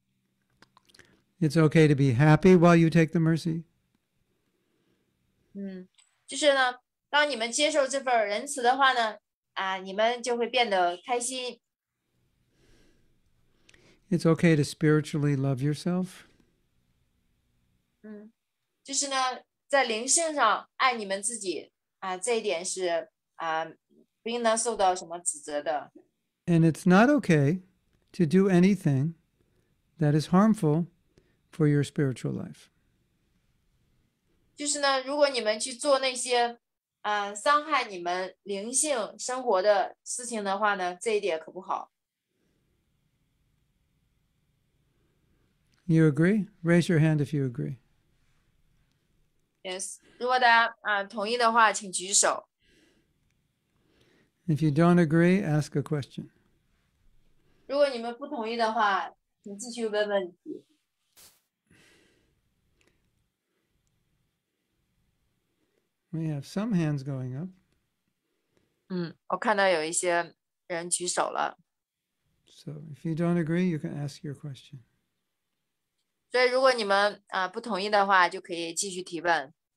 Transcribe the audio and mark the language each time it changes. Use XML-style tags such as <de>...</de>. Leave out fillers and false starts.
<en>okay to be happy while you take the mercy.</en> <zh>就是呢，当你们接受这份仁慈的话呢。</zh> <en>It's okay to spiritually love yourself.</en> <zh>就是呢，在灵性上爱你们自己，这一点是不应当受到什么指责的。</zh> <en>And it's not okay to do anything that is harmful for your spiritual life.</en> <zh>就是呢，如果你们去做那些伤害你们灵性生活的事情的话呢，这一点可不好。</zh> <en>You agree? Raise your hand if you agree. Yes.</en> <zh>如果大家同意的话，请举手。</zh> <en>If you don't agree, ask a question.</en> <zh>如果你们不同意的话，请继续问问题。</zh> <en>We have some hands going up.</en> <zh>我看到有一些人举手了。</zh> <en>So if you don't agree, you can ask your question.</en> <zh>所以如果你们不同意的话，就可以继续提问。</zh>